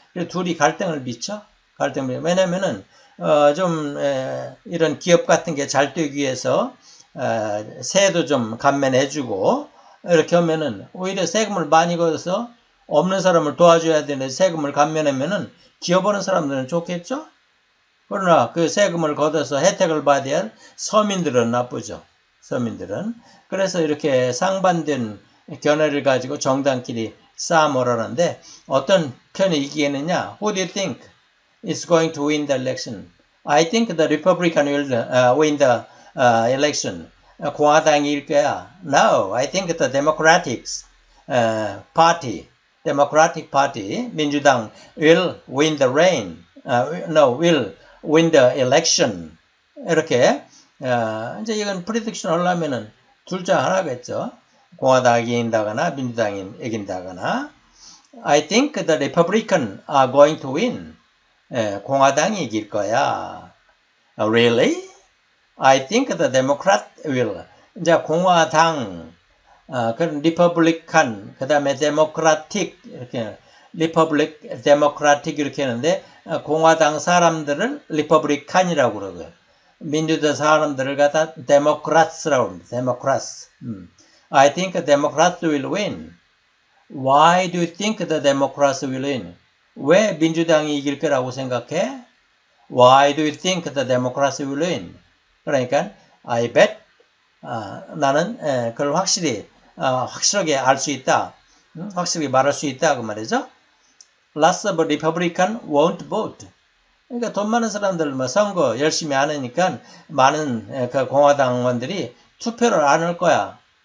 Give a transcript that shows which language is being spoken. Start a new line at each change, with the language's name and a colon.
Korean: 그리고 둘이 갈등을 빚죠. 갈등을 빚죠. 왜냐면은, 이런 기업 같은 게 잘 되기 위해서, 세도 좀 감면해주고, 이렇게 하면은, 오히려 세금을 많이 걷어서, 없는 사람을 도와줘야 되는데, 세금을 감면하면은, 기업 오는 사람들은 좋겠죠? 그러나, 그 세금을 걷어서 혜택을 받아야 할 서민들은 나쁘죠. 서민들은. 그래서 이렇게 상반된 견해를 가지고 정당끼리 싸움을 하는데, 어떤 편이 이기겠느냐?
English: Who do you think is going to win the election? I think the Republican will win the election.
Korean: 공화당일 거야.
English: No, I think the Democrats party, Democratic Party, 민주당 will win the reign. No, will win the election.
Korean: 이렇게 이제 이건 prediction 하려면은 둘 중 하나겠죠. 공화당이 이긴다거나 민주당이 이긴다거나.
English: I think the Republican are going to win.
Korean: 공화당이 이길 거야.
English: Really? I think the Democrat will.
Korean: 이제 공화당, 그럼 Republican, 그 다음에 Democratic, 이렇게, Republic, Democratic 이렇게 하는데, 공화당 사람들을 Republican이라고 그러고요. 민주당 사람들을 갖다 Democrats라고 합니다. Democrats.
English: I think the Democrats will win. Why do you think the Democrats will win?
Korean: 왜 민주당이 이길 거라고 생각해?
English: Why do you think the Democrats will win?
Korean: 그러니까
English: I bet
Korean: 나는 그걸 확실히 확실하게 알 수 있다. 확실히 말할 수 있다 그 말이죠.
English: Lots of Republican won't vote.
Korean: 그러니까 돈 많은 사람들 뭐 선거 열심히 안 하니까 많은 그 공화당원들이 투표를 안 할 거야.